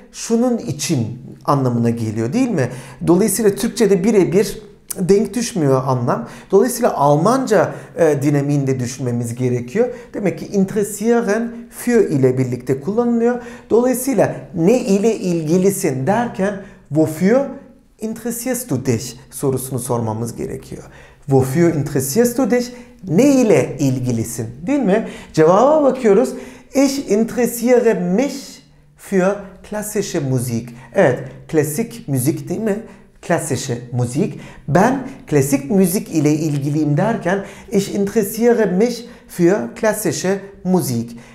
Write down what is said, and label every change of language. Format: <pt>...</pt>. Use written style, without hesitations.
<tr>Şunun için anlamına geliyor değil mi? Dolayısıyla Türkçe'de birebir denk düşmüyor anlam. Dolayısıyla Almanca dinamiğinde düşünmemiz gerekiyor. Demek ki interessieren für ile birlikte kullanılıyor. Dolayısıyla ne ile ilgilisin derken</tr> <de>wofür interessierst du dich</de> <tr>sorusunu sormamız gerekiyor.</tr> <de>Wofür interessierst du dich?</de> <tr>Ne ile ilgilisin? Değil mi? Cevaba bakıyoruz.</tr> <de>Ich interessiere mich für klassische Musik.</de> <tr>Evet, klasik müzik değil mi?</tr> <de>Klassische Musik.</de> <tr>Ben klasik müzik ile ilgiliyim derken</tr> <de>ich interessiere mich für klassische Musik.</de>